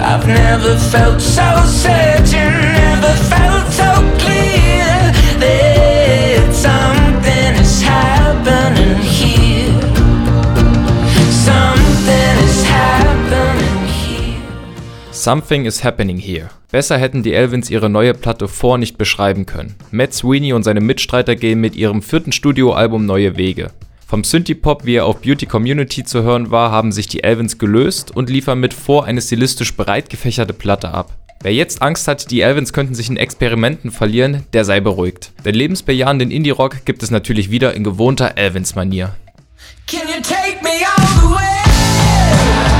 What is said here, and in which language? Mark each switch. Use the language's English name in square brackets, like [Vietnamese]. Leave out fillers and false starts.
[English] I've never felt so certain, never felt so clear that something is happening here. Something is happening here. Something is happening here. [German] Besser hätten die Elvins ihre neue Platte vor nicht beschreiben können. Matt Sweeney und seine Mitstreiter gehen mit ihrem vierten Studioalbum neue Wege. Vom Synthie-Pop, wie er auf Beauty Community zu hören war, haben sich die Elvins gelöst und liefern mit vor eine stilistisch breit gefächerte Platte ab. Wer jetzt Angst hat, die Elvins könnten sich in Experimenten verlieren, der sei beruhigt. Denn lebensbejahenden Indie-Rock gibt es natürlich wieder in gewohnter Elvins-Manier. [English] Can you take me all the way?